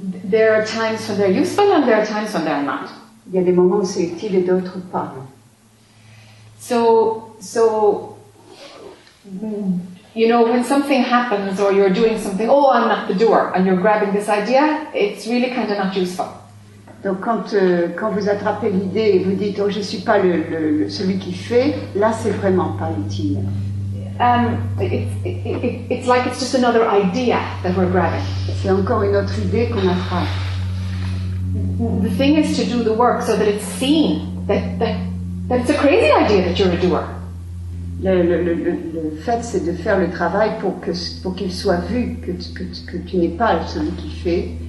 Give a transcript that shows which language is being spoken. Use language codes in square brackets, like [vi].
[en] There are times when they're useful and there are times when they're not. [fr] Il y a des moments où c'est utile et d'autres pas. [en] So, you know, when something happens or you're doing something, oh, I'm not the doer, and you're grabbing this idea, it's really kind of not useful. [fr] Donc quand vous attrapez l'idée et vous dites oh je suis pas celui qui fait, là c'est vraiment pas utile. [en] It's like it's just another idea that we're grabbing. [fr] C'est encore une autre idée qu'on attrape. [en] The thing is to do the work so that it's seen that it's a crazy idea that you're a doer. [fr] Le fait c'est de faire le travail pour qu'il soit vu que tu n'es pas celui qui fait.